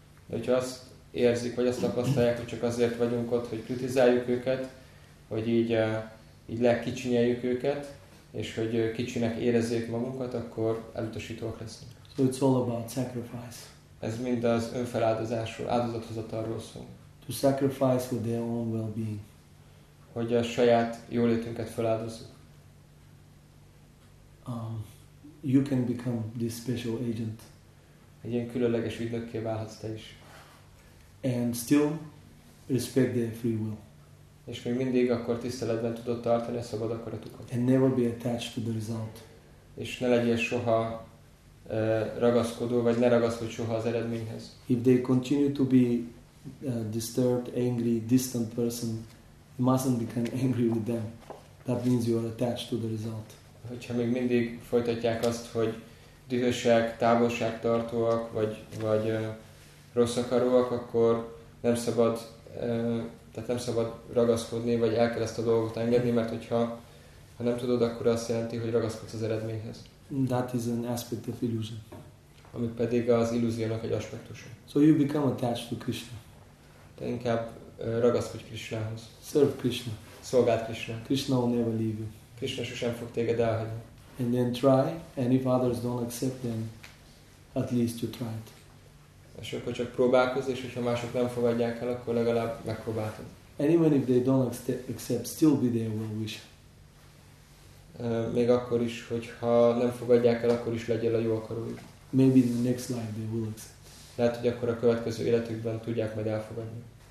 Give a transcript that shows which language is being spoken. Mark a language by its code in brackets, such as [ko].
[hu] De hogyha azt érzik, vagy azt tapasztalják, hogy csak azért vagyunk ott, hogy kritizáljuk őket, hogy így lekicsinyeljük őket, és hogy kicsinek érezzék magunkat, akkor elutasítóak leszünk. [en] So it's all about sacrifice. [hu] Ez mind az önfeláldozásról, áldozathozatalról szól. [en] To sacrifice for their own well-being. [hu] Hogy a saját jólétünket feláldozzuk. [en] You can become this special agent. [hu] Egy ilyen különleges ügynökké válhatsz te is. [en] And still respect their free will. [hu] És még mindig akkor tiszteletben tudod tartani a szabad akaratukat. [en] And never be attached to the result. [hu] És ne legyél soha ragaszkodó, vagy ne ragaszkodj soha az eredményhez. [en] If they continue to be disturbed, angry, distant person, you mustn't become angry with them. That means you are attached to the result. [hu] Hogyha még mindig folytatják azt, hogy dühösek, távolságtartóak, vagy rossz akaróak, akkor nem szabad tehát nem szabad ragaszkodni, vagy el kell ezt a dolgot engedni, mert hogyha nem tudod, akkor azt jelenti, hogy ragaszkodsz az eredményhez. [en] That is an aspect of illusion. [hu] Ami pedig az illúziónak egy aspektusa. [en] So you become attached to Krishna. [hu] Te inkább ragaszkodj Krishnához. [en] Serve Krishna. [hu] Szolgáld Krishna. [en] Krishna will never leave you. [hu] Krishna sosem fog téged elhagyni. [en] And then try, and if others don't accept, then at least you tried. [hu] És akkor csak próbálkozz, és hogyha mások nem fogadják el, akkor legalább megpróbáltad. [en] And even if they don't accept, still be their well wish. [hu] Még akkor is, hogyha nem fogadják el, akkor is legyél a jó akarójuk. [en] Maybe in the next life they will accept. [hu] Lehet, hogy akkor a következő életükben tudják majd elfogadni.